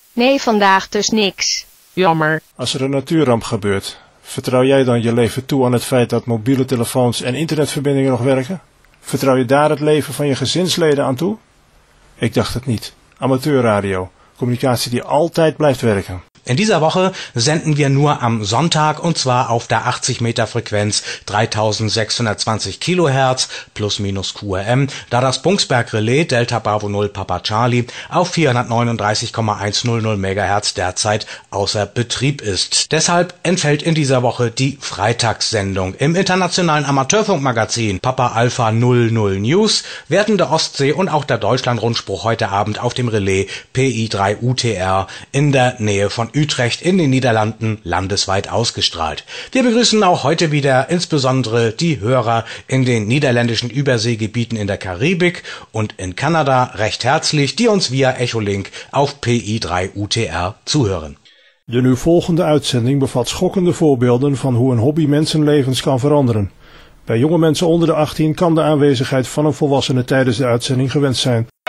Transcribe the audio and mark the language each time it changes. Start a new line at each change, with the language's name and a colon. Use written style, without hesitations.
Dutch: Nee, vandaag dus niks. Jammer. Als er een natuurramp gebeurt, vertrouw jij dan je leven toe aan het feit dat mobiele telefoons en internetverbindingen nog werken? Vertrouw je daar het leven van je gezinsleden aan toe? Ik dacht het niet. Amateurradio. Communicatie die altijd blijft werken.
German: In dieser Woche senden wir nur am Sonntag und zwar auf der 80 Meter Frequenz 3620 Kilohertz plus minus QRM, da das Bungsberg Relais Delta Bravo 0 Papa Charlie auf 439,100 Megahertz derzeit außer Betrieb ist. Deshalb entfällt in dieser Woche die Freitagssendung. Im internationalen Amateurfunkmagazin Papa Alpha 00 News werden der Ostsee und auch der Deutschlandrundspruch heute Abend auf dem Relais PI3UTR in der Nähe von Utrecht in den Niederlanden landesweit ausgestrahlt. Wir begrüßen auch heute wieder insbesondere die Hörer in den niederländischen Überseegebieten in der Karibik und in Kanada recht herzlich, die uns via Echolink auf PI3UTR zuhören.
Dutch: De nu volgende uitzending bevat schokkende voorbeelden van hoe een hobby mensenlevens kan veranderen. Bij jonge mensen onder de 18 kan de aanwezigheid van een volwassene tijdens de uitzending gewenst zijn.